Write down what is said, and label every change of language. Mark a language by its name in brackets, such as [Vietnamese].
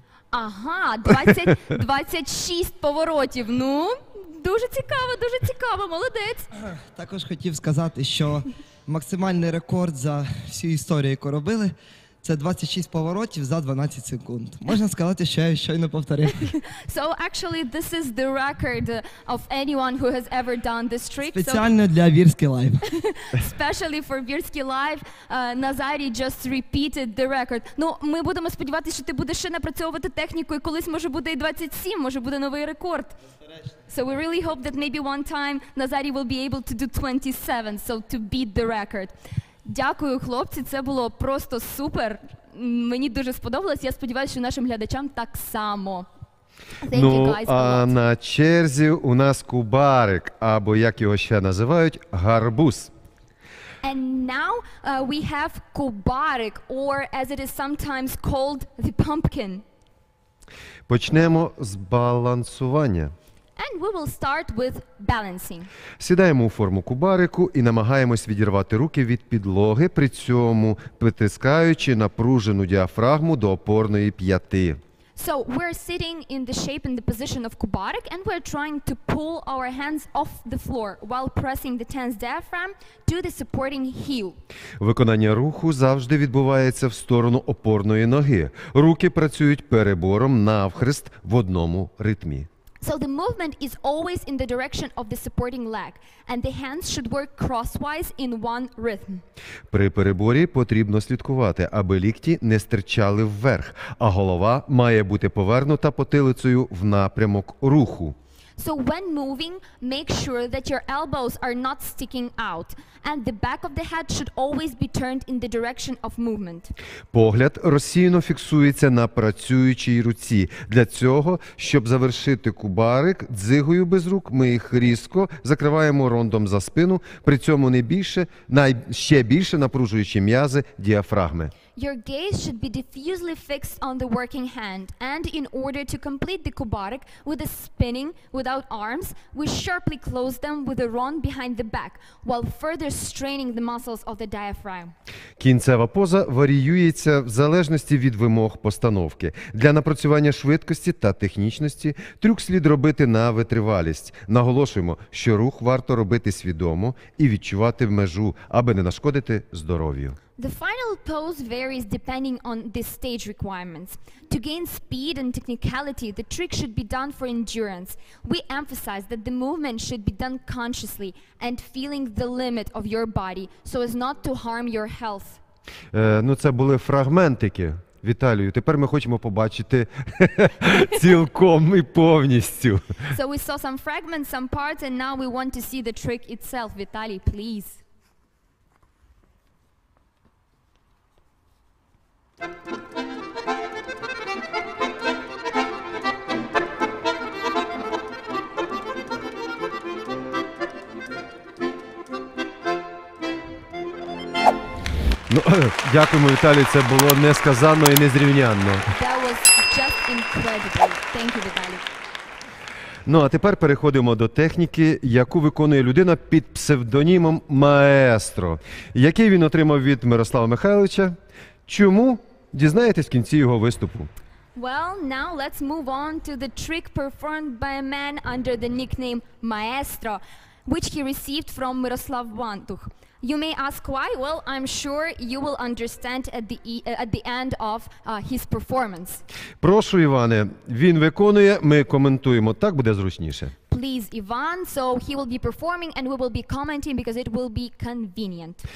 [Ukrainian] Ага, 26 поворотів, ну... Дуже цікаво, дуже цікаво, молодець. Також хотів сказати, що максимальний рекорд за всю історію, яку робили, це 26 поворотів за 12 секунд. Можна сказати, що я щойно повторив. [English] So actually this is the record of anyone who has ever done this trick. [Ukrainian] Спеціально для Virsky Live. [English] Especially for Virsky Live, Назарій just repeated the record. [Ukrainian] Ну, ми будемо сподіватися, що ти будеш ще напрацьовувати техніку і колись може буде і 27, може буде новий рекорд. [English] So we really hope that maybe one time Назарій will be able to do 27, so to beat the record. [Ukrainian] Дякую, хлопці, це було просто супер. Мені дуже сподобалось, я сподіваюся, що нашим глядачам так само. Ну, а на черзі у нас кубарик, або як його ще називають, гарбуз. [English] And now we have кубарик, or as it is sometimes called, the pumpkin. [Ukrainian] Почнемо з балансування. [English] And we will start with balancing. [Ukrainian] Сідаємо у форму кубарику і намагаємось відірвати руки від підлоги, при цьому притискаючи напружену діафрагму до опорної п'яти. [English] So we're sitting in the shape and the position of kubarik and we're trying to pull our hands off the floor while pressing the tense diaphragm to the supporting heel. [Ukrainian] Виконання руху завжди відбувається в сторону опорної ноги. Руки працюють перебором навхрест в одному ритмі. [English] So the movement is always in the direction of the supporting leg, and the hands should work crosswise in one rhythm. [Ukrainian] При переборі потрібно слідкувати, аби лікті не стирчали вверх, а голова має бути повернута потилицею в напрямок руху. [English] So when moving, make sure that your elbows are not sticking out, and the back of the head should always be turned in the direction of movement. [Ukrainian] Погляд розсіяно фіксується на працюючій руці. Для цього, щоб завершити кубарик дзигою без рук, ми їх різко закриваємо рондом за спину, при цьому не більше, ще більше напружуючи м'язи діафрагми. [English] Your gaze should be diffusely fixed on the working hand, and in order to complete the kubarik with a spinning without arms, we sharply close them with a rond behind the back, while further straining the muscles of the diaphragm. [Ukrainian] Кінцева поза варіюється в залежності від вимог постановки. Для напрацювання швидкості та технічності трюк слід робити на витривалість. Наголошуємо, що рух варто робити свідомо і відчувати в межу, аби не нашкодити здоров'ю. [English] The final pose varies depending on the stage requirements. To gain speed and technicality, the trick should be done for endurance. We emphasize that the movement should be done consciously and feeling the limit of your body so as not to harm your health. [Ukrainian] Ну це були фрагментики, Віталію. Тепер ми хочемо побачити цілком і повністю. [English] So we saw some fragments, some parts, and now we want to see the trick itself. Vitaly, please. [Ukrainian] Ну, дякуємо, Віталій, це було несказанно і незрівнянно. [English] That was just incredible. Thank you, Віталій. [Ukrainian] Ну, а тепер переходимо до техніки, яку виконує людина під псевдонімом «Маестро». Який він отримав від Мирослава Михайловича? Чому? Дізнаєтесь в кінці його виступу. [English] Well, now let's move on to the trick performed by a man under the nickname Maestro, which he received from Miroslav Vantuch. You may ask why? Well, I'm sure you will understand at the end of his performance. [Ukrainian] Прошу, Іване, він виконує, ми коментуємо. Так буде зручніше. [English] Please, Ivan, so he will be performing and we will be commenting because it will be convenient.